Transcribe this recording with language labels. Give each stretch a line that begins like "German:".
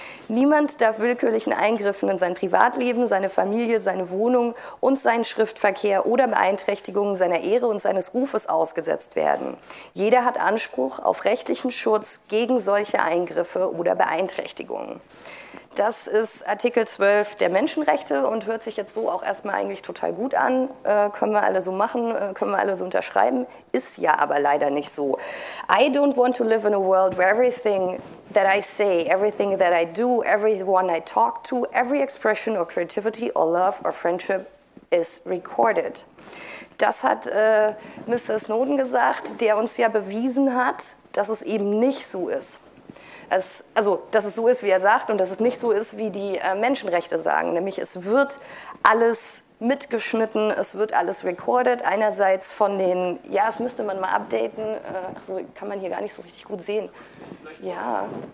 German: Niemand darf willkürlichen Eingriffen in sein Privatleben, seine Familie, seine Wohnung und seinen Schriftverkehr oder Beeinträchtigungen seiner Ehre und seines Rufes ausgesetzt werden. Jeder hat Anspruch auf rechtlichen Schutz gegen solche Eingriffe oder Beeinträchtigungen. Das ist Artikel 12 der Menschenrechte und hört sich jetzt so auch erstmal eigentlich total gut an. Können wir alle so machen, können wir alle so unterschreiben. Ist ja aber leider nicht so.
English: I don't want to live in a world where everything that I say, everything that I do, everyone I talk to, every expression or creativity or love or friendship is recorded.
German: Das hat Mr. Snowden gesagt, der uns ja bewiesen hat, dass es eben nicht so ist. Also, dass es so ist, wie er sagt, und dass es nicht so ist, wie die Menschenrechte sagen. Nämlich, es wird alles mitgeschnitten, es wird alles recorded. Einerseits von den, ja, das müsste man mal updaten. Achso, kann man hier gar nicht so richtig gut sehen. Ja.